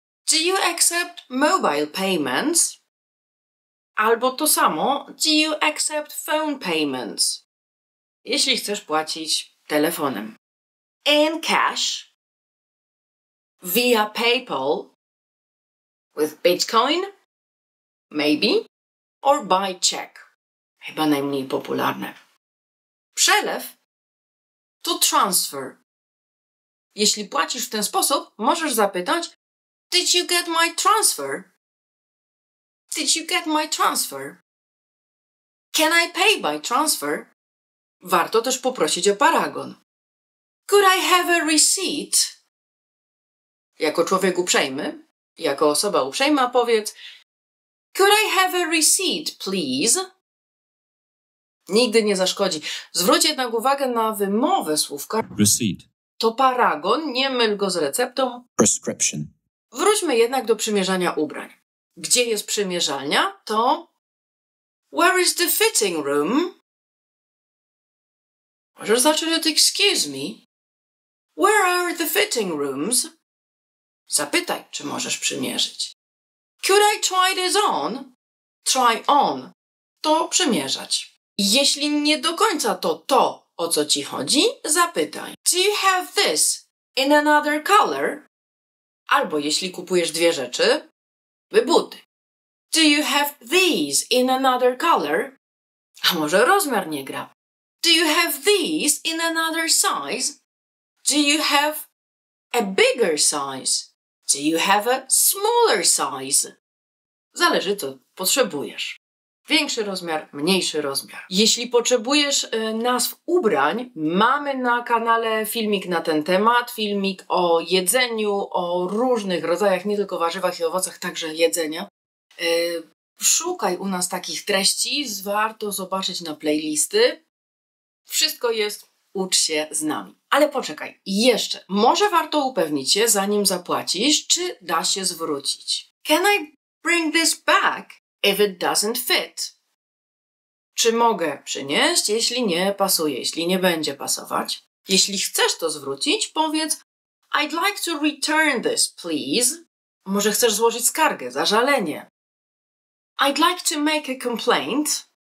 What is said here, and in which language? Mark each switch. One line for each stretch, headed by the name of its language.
English: Do you accept mobile payments?
Polish: Albo to samo,
English: do you accept phone payments?
Polish: Jeśli chcesz płacić telefonem.
English: In cash? Via PayPal? With Bitcoin? Maybe? Or by check?
Polish: Chyba najmniej popularne. Przelew? To transfer. Jeśli płacisz w ten sposób, możesz zapytać
English: Did you get my transfer? Did you get my transfer? Can I pay by transfer?
Polish: Warto też poprosić o paragon.
English: Could I have a receipt?
Polish: Jako człowiek uprzejmy, jako osoba uprzejma powiedz
English: Could I have a receipt, please?
Polish: Nigdy nie zaszkodzi. Zwróć jednak uwagę na wymowę słówka
English: Receipt.
Polish: To paragon, nie myl go z receptą
English: Prescription.
Polish: Wróćmy jednak do przymierzania ubrań. Gdzie jest przymierzalnia? To...
English: Where is the fitting room?
Polish: Możesz zacząć od
English: excuse me. Where are the fitting rooms?
Polish: Zapytaj, czy możesz przymierzyć.
English: Could I try this on? Try on.
Polish: To przymierzać. Jeśli nie do końca to, o co ci chodzi, zapytaj.
English: Do you have this in another color?
Polish: Albo jeśli kupujesz dwie rzeczy, buty.
English: Do you have these in another color?
Polish: A może rozmiar nie gra?
English: Do you have these in another size? Do you have a bigger size? Do you have a smaller size?
Polish: Zależy, co potrzebujesz. Większy rozmiar, mniejszy rozmiar. Jeśli potrzebujesz nazw ubrań, mamy na kanale filmik na ten temat, filmik o jedzeniu, o różnych rodzajach, nie tylko warzywach i owocach, także jedzenia. Szukaj u nas takich treści, warto zobaczyć na playlisty. Wszystko jest, ucz się z nami. Ale poczekaj, jeszcze, może warto upewnić się, zanim zapłacisz, czy da się zwrócić.
English: Can I bring this back if it doesn't fit?
Polish: Czy mogę przynieść, jeśli nie pasuje, jeśli nie będzie pasować? Jeśli chcesz to zwrócić, powiedz
English: I'd like to return this, please.
Polish: Może chcesz złożyć skargę, zażalenie.
English: I'd like to make a complaint.